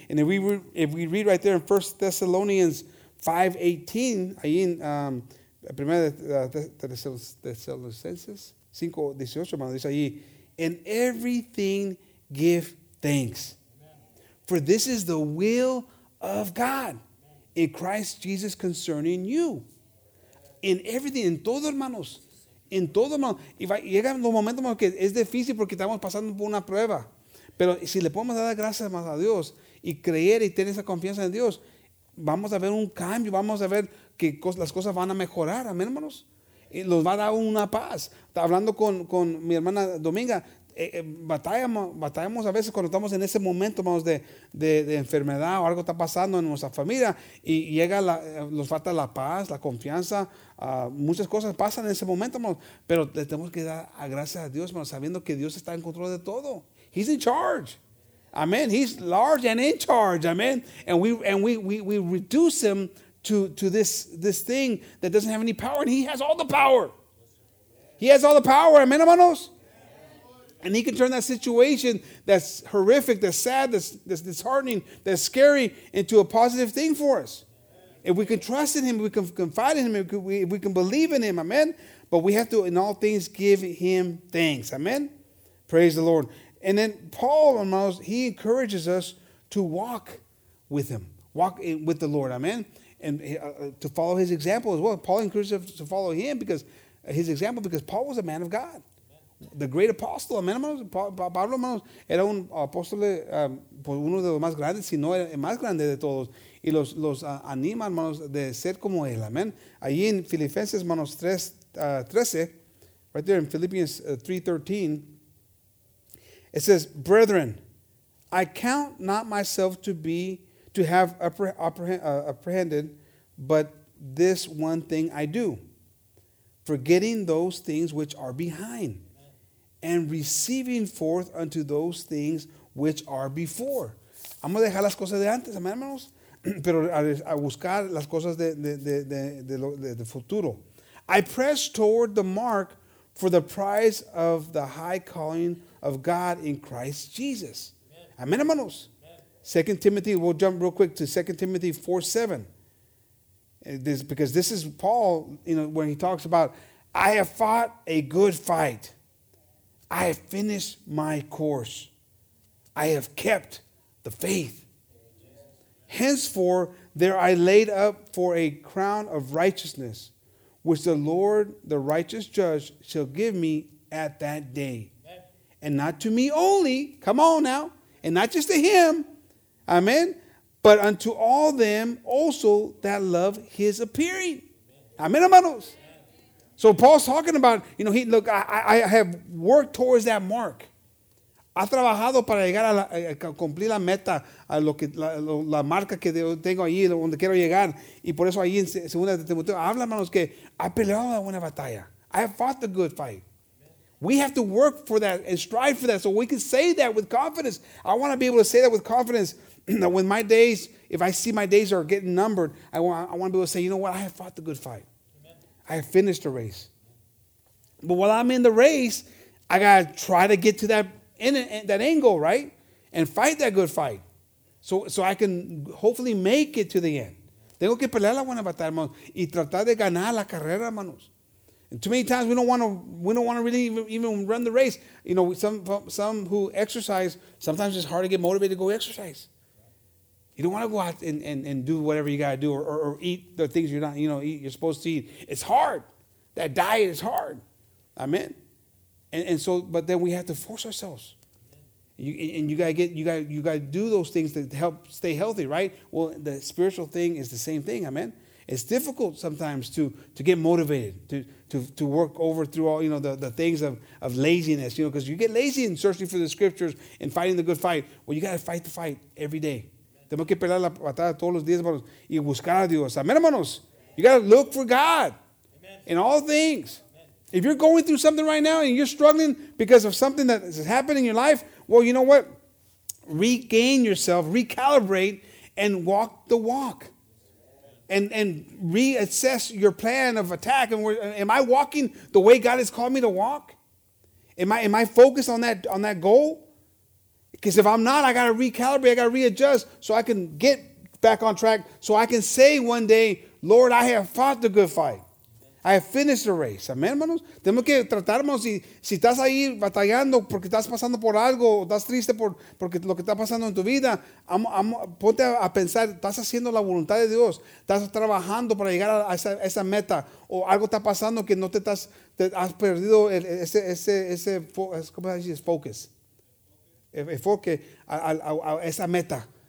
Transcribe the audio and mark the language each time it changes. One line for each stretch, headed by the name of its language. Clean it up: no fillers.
English: And if we read right there in 1 Thessalonians 5:18,
Spanish: ahí en Primera Tesalonicenses 5:18, hermano, dice ahí,
English: in everything give thanks. For this is the will of God in Christ Jesus concerning you. In everything,
Spanish: en todo, hermanos. En todo, hermanos. Y llegan los momentos, hermanos, que es difícil porque estamos pasando por una prueba. Pero si le podemos dar gracias más a Dios y creer y tener esa confianza en Dios, vamos a ver un cambio, vamos a ver que las cosas van a mejorar. Amén, hermanos. Nos va a dar una paz. Hablando con mi hermana Dominga, batallamos a veces cuando estamos en ese momento, hermanos, de enfermedad o algo está pasando en nuestra familia y llega la, nos falta la paz, la confianza, muchas cosas pasan en ese momento, hermanos, pero le tenemos que dar a gracias a Dios, hermanos, sabiendo que Dios está en control de todo.
English: He's in charge. Amen. He's large and in charge. Amen. And we reduce him to this thing that doesn't have any power, and he has all the power. He has all the power. Amen, hermanos. And he can turn that situation that's horrific, that's sad, that's disheartening, that's scary, into a positive thing for us. If we can trust in him, we can confide in him, if we can believe in him, amen? But we have to, in all things, give him thanks, amen? Praise the Lord. And then Paul, he encourages us to walk with him, walk with the Lord, amen? And to follow his example as well. Paul encourages us to follow him because his example, because Paul was a man of God. The great apostle, amen, hermanos.
Spanish: Pablo, hermanos, era un apóstol, uno de los más grandes, si no el más grande de todos. Y los anima, hermanos, de ser como él, amen. Allí en Filipenses, hermanos, 3:13,
English: right there in Philippians 3:13, it says, brethren, I count not myself to have apprehended, but this one thing I do, forgetting those things which are behind, and receiving forth unto those things which are before.
Spanish: Vamos a dejar las cosas de antes, amén, hermanos, pero a buscar las cosas de futuro.
English: I press toward the mark for the prize of the high calling of God in Christ Jesus. Amén, hermanos. 2 Timothy, we'll jump real quick to 2 Timothy 4:7. Because this is Paul, you know, when he talks about, I have fought a good fight. I have finished my course. I have kept the faith. Henceforth, there I laid up for a crown of righteousness, which the Lord, the righteous judge, shall give me at that day. And not to me only, come on now, and not just to him, amen, but unto all them also that love his appearing. Amen, hermanos. So Paul's talking about, you know, I have worked towards that mark.
Spanish: Ha trabajado para llegar a cumplir la meta, a lo que la marca que tengo ahí, donde quiero llegar. Y por eso ahí en segunda de Timoteo habla, hermanos, que ha peleado la buena batalla.
English: I have fought the good fight. We have to work for that and strive for that so we can say that with confidence. I want to be able to say that with confidence that when my days, if I see my days are getting numbered, I want to be able to say, you know what, I have fought the good fight. I have finished the race. But while I'm in the race, I got to try to get to that angle, right? And fight that good fight. So I can hopefully make it to the end.
Spanish: Tengo que pelear la buena batalla, hermanos, y tratar de ganar la carrera, hermanos.
English: And too many times we don't want to really even run the race. You know, some who exercise, sometimes it's hard to get motivated to go exercise. You don't want to go out and do whatever you got to do or eat the things you're not, you know, you're supposed to eat. It's hard. That diet is hard. Amen. And so, but then we have to force ourselves. You got to do those things to help stay healthy, right? Well, the spiritual thing is the same thing. Amen. It's difficult sometimes to get motivated, to work over through all, you know, the things of laziness, you know, because you get lazy in searching for the scriptures and fighting the good fight. Well, you got to fight the fight every day.
Spanish: Tenemos que pelear la batalla todos los días, hermanos, y buscar a Dios. Amén, hermanos.
English: You got to look for God in all things. If you're going through something right now and you're struggling because of something that has happened in your life, well, you know what? Regain yourself, recalibrate, and walk the walk. And reassess your plan of attack. And am I walking the way God has called me to walk? Am I focused on that goal? Because if I'm not, I got to recalibrate, I got to readjust so I can get back on track so I can say one day, Lord, I have fought the good fight. I have finished the race. Amen, hermanos.
Spanish: Tenemos que tratar, hermanos, si estás ahí batallando porque estás pasando por algo o estás triste porque lo que está pasando en tu vida, ponte a pensar, estás haciendo la voluntad de Dios, estás trabajando para llegar a esa meta o algo está pasando que no te has perdido ese ¿cómo se dice? Focus. Enfoque a esa meta.